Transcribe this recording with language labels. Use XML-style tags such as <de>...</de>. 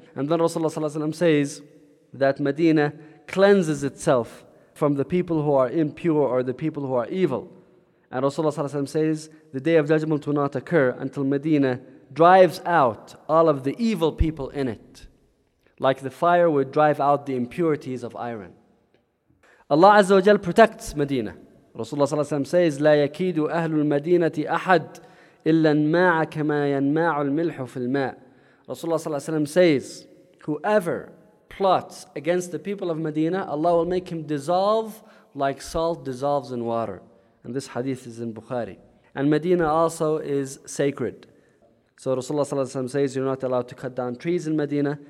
<en>And then Rasulullah sallallahu alaihi wasallam says that Medina cleanses itself from the people who are impure or the people who are evil. And Rasulullah ﷺ says, the Day of Judgment will not occur until Medina drives out all of the evil people in it, like the fire would drive out the impurities of iron. Allah Azza wa Jal protects Medina.</en> <ar>Rasulullah ﷺ says, لا يكيد أهل المدينة أحد إلا انماع كما ينماع الملح في الماء.</ar> <en>Rasulullah ﷺ says, whoever plots against the people of Medina, Allah will make him dissolve like salt dissolves in water. And this hadith is in Bukhari. And Medina also is sacred. So Rasulullah ﷺ says, you're not allowed to cut down trees in Medina.</en>